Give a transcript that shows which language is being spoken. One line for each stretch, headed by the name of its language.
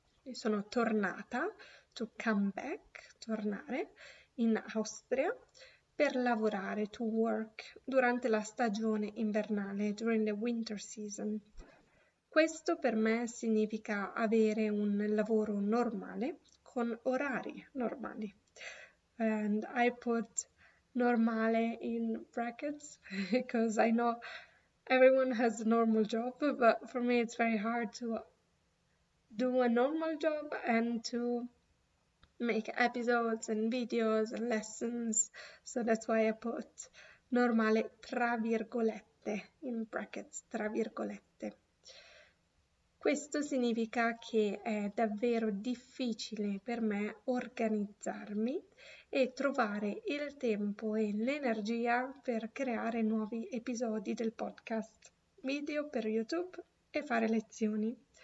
Italian: Sono tornata,
English: to come back,
Italian: tornare in Austria per lavorare,
English: to work,
Italian: durante la stagione invernale,
English: during the winter season.
Italian: Questo per me significa avere un lavoro normale, con orari normali.
English: And I put normale in brackets, because I know everyone has a normal job, but for me it's very hard to do a normal job and to make episodes and videos and lessons, so that's why I put normale
Italian: tra virgolette,
English: in brackets, tra virgolette.
Italian: Questo significa che è davvero difficile per me organizzarmi e trovare il tempo e l'energia per creare nuovi episodi del podcast, video per YouTube e fare lezioni.